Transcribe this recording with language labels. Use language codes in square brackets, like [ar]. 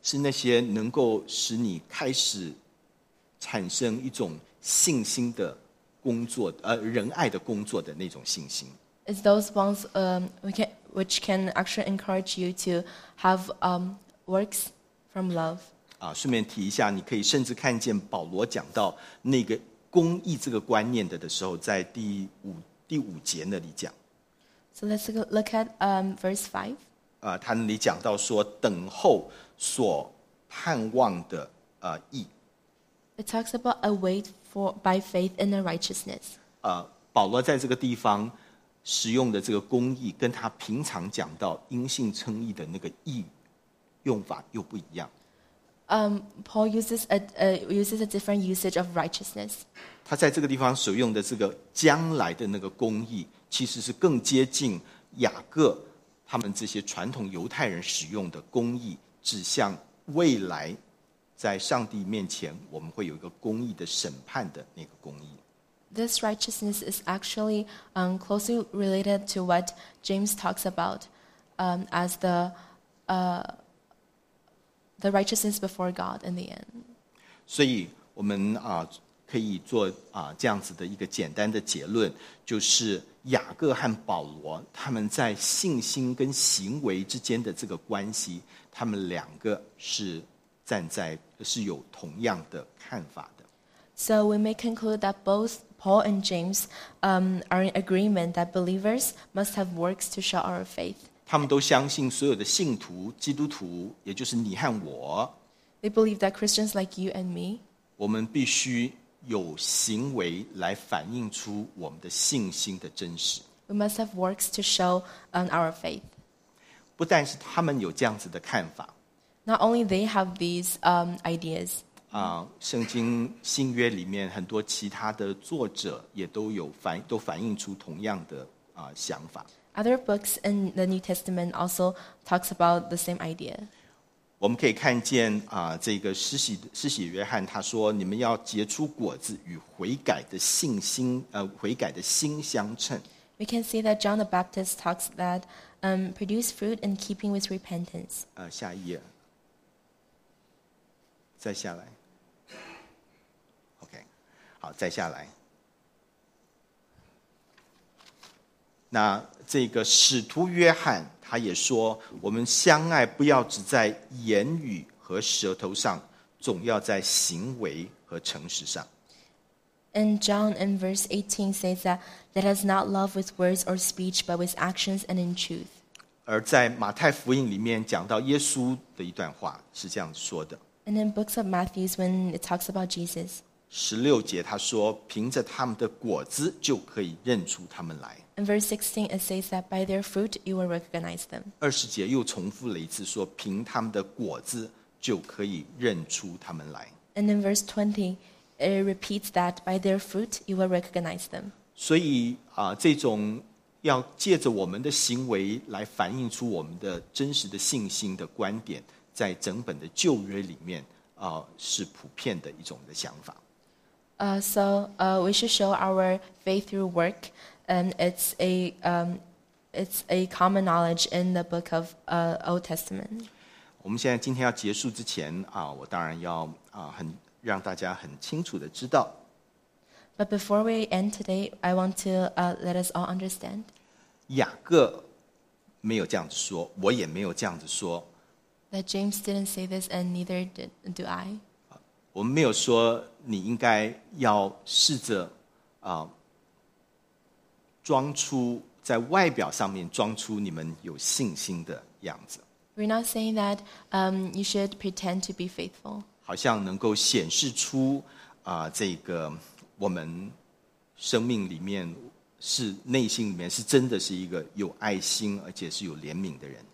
[zh] 是那些能够使你开始产生一种信心的工作，仁爱的工作的那种信心。 [en] It's those ones which can actually encourage you to have works from love. [zh] 啊，顺便提一下，你可以甚至看见保罗讲到那个公义这个观念的时候，在第五节那里讲。 [en] So let's look at verse 5. [zh] 他那里讲到说等候所盼望的义。 [en] It talks about a wait for by faith in the righteousness. [zh] 保罗在这个地方使用的这个公义跟他平常讲到因信称义的那个义用法又不一样。 [en] Paul uses a different usage of righteousness. [zh] 他在这个地方所用的这个将来的那个公义其实是更接近雅各他们这些传统犹太人使用的公义指向未来在上帝面前我们会有一个公义的审判的那个公义。 [en] This righteousness is actually closely related to what James talks about as the righteousness before God in the end. [zh] 所以我们可以做这样子的一个简单的结论，就是雅各和保罗他们在信心跟行为之间的这个关系，他们两个是站在是有同样的看法的。 [en] So we may conclude that both Paul and James are in agreement that believers must have works to show our faith. [zh] 他们都相信所有的信徒、基督徒，也就是你和我。 [en] They believe that Christians like you and me. [zh] 我们必须有行为来反映出我们的信心的真实。 [en] We must have works to show our faith. [zh] 不但是他们有这样子的看法。 [en] Not only they have these ideas. [zh] 圣经新约里面很多其他的作者也都有反映出同样的想法。 [en] Other books in the New Testament also talks about the same idea. [zh] 我们可以看见这个施洗约翰他说你们要结出果子与悔改的信心悔改的心相称。 [en] We can see that John the Baptist talks that produce fruit in keeping with repentance. [zh] 下一页。再下来 OK 好再下来那这个使徒约翰他也说我们相爱不要只在言语和舌头上总要在行为和诚实上 [en] And John in verse 18 says that let us not love with words or speech but with actions and in truth [zh] 而在马太福音里面讲到耶稣的一段话是这样说的 [en] And in books of Matthew's when it talks about Jesus. [zh] 16节他说凭着他们的果子就可以认出他们来。 [en] In verse 16 it says that by their fruit you will recognize them. [zh] 20节又重复了一次说凭他们的果子就可以认出他们来。 [en] And in verse 20 it repeats that by their fruit you will recognize them. [zh] 所以这种要借着我们的行为来反映出我们的真实的信心的观点在整本的旧约里面是普遍的一种的想法。 [en] We should show our faith through work, and it's a common knowledge in the book of Old Testament. [zh] 我们现在今天要结束之前我当然要很让大家很清楚的知道。 [en] But before we end today, I want to let us all understand. [zh] 雅各没有这样子说，我也没有这样子说。 [en] That James didn't say this, and neither do I. [zh] 我们没有说你应该要试着装出在外表上面装出你们有信心的样子。 [en] We're not saying that you should pretend to be faithful. [zh] 好像能够显示出这个我们生命里面是内心里面是真的是一个有爱心而且是有怜悯的人。